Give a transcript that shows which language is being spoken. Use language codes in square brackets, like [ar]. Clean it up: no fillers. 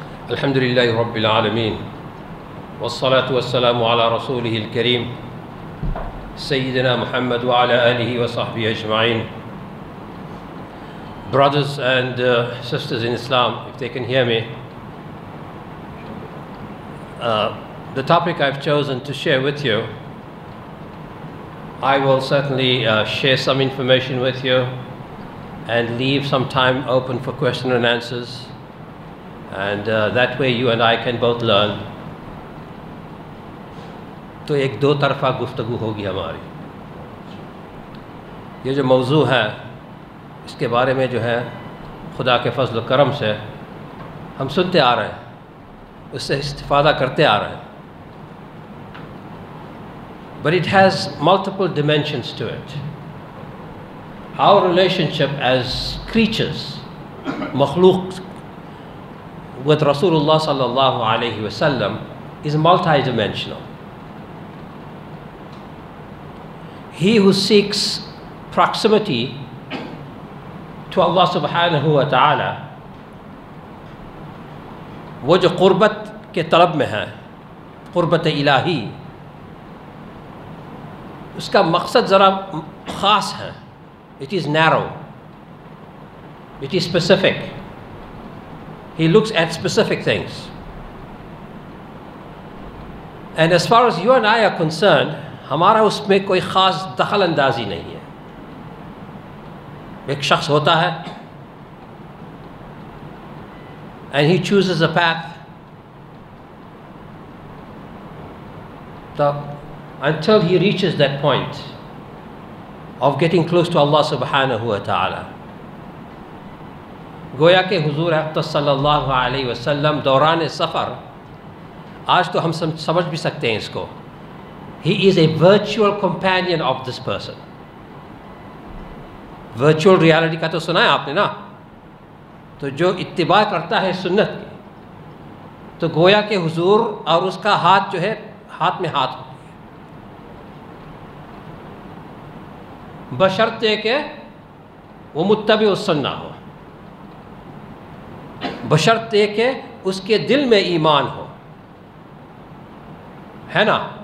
[ar] الحمد لله رب العالمين والصلاة والسلام على رسوله الكريم سيدنا محمد وعلى آله وصحبه أجمعين. [en] Brothers and sisters in Islam, if they can hear me, the topic I've chosen to share with you, I will certainly share some information with you and leave some time open for question and answers, and that way you and I can both learn. [ur] تو ایک دو طرفہ گفتگو ہوگی ہماری. یہ جو موضوع ہے اس کے بارے میں جو ہے خدا کے فضل و کرم سے ہم سنتے آ رہے ہیں, اس سے استفادہ کرتے آ رہے ہیں. [en] But it has multiple dimensions to it. Our relationship as creatures, makhlooq, with Rasulullah sallallahu alayhi wa sallam is multidimensional. He who seeks proximity to Allah subhanahu wa ta'ala, [ur] وہ جو قربت کے طلب میں ہے, قربت الہی, اس کا مقصد ذرا خاص ہے. [en] It is narrow. It is specific. He looks at specific things. And as far as you and I are concerned, [ur] ہمارا اس میں کوئی خاص دخل اندازی نہیں ہے. ایک شخص ہوتا ہے, [en] and he chooses a path. Until he reaches that point of getting close to Allah subhanahu wa ta'ala, [ur] گویا کہ حضور اقدس صلی اللہ علیہ وسلم دوران سفر, آج تو ہم سمجھ بھی سکتے ہیں اس کو, [en] he is a virtual companion of this person. [ur] Virtual reality کا تو سنا ہے آپ نے نا, تو جو اتباع کرتا ہے سنت کی, تو گویا کہ حضور اور اس کا ہاتھ جو ہے ہاتھ میں ہاتھ ہوتی ہے, بشرطے کہ وہ متبع السنہ ہو, بشرطے کہ اس کے دل میں ایمان ہو, ہے نا.